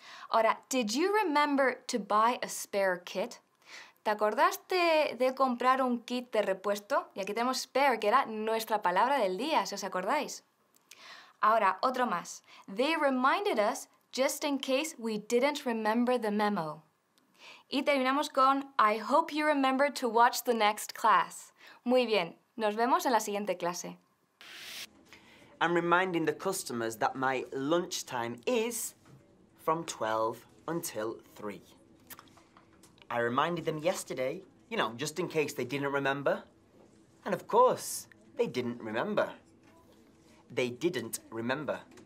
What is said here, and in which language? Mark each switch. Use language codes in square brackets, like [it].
[es] Ahora, [en] did you remember to buy a spare kit? [es] ¿Te acordaste de comprar un kit de repuesto? Y aquí tenemos spare, que era nuestra palabra del día, si os acordáis. Ahora, otro más. [en] They reminded us just in case we didn't remember the memo. [es] Y terminamos con [en] I hope you remember to watch the next class. [es] Muy bien, nos vemos en la siguiente clase. [en] I'm reminding the customers that my lunchtime is from 12 until 3. I reminded them yesterday, you know, just in case they didn't remember. And of course, they didn't remember. They didn't remember.